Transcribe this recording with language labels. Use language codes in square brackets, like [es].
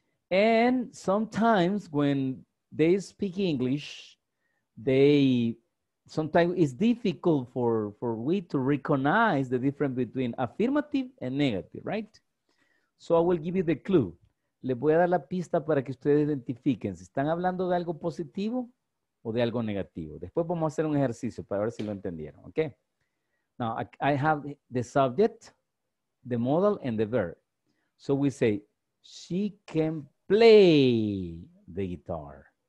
[en] And sometimes when they speak English, sometimes it's difficult for we to recognize the difference between affirmative and negative, right? So I will give you the clue. [es] Les voy a dar la pista para que ustedes identifiquen si están hablando de algo positivo o de algo negativo. Después vamos a hacer un ejercicio para ver si lo entendieron, okay? [en] Now, I have the subject, the modal, and the verb. So we say, she can play the guitar.